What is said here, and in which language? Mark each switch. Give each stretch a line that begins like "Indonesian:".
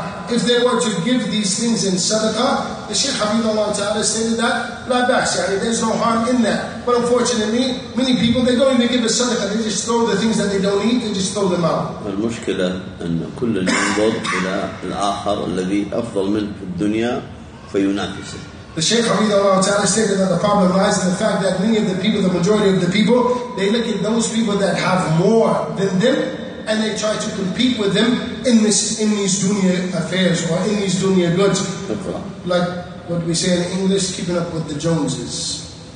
English: If they were to give these things in sadaqah, the Sheikh Hafidah Allah Ta'ala stated that,
Arabic: la bas, yani,
English: there's no harm in that. But unfortunately, many people, they don't even give a sadaqah. They just throw the things that they don't eat, they just throw them out.
Arabic: المشكلة أن كل ينظر إلى الآخر الذي أفضل منه في الدنيا فينافسه.
English: The Sheikh Hafidah Allah Ta'ala stated that the problem lies in the fact that many of the people, the majority of the people, they look at those people that have more than them, and they try to compete with them in these dunya affairs or in these dunya goods. Like what we say in English, keeping up with the Joneses.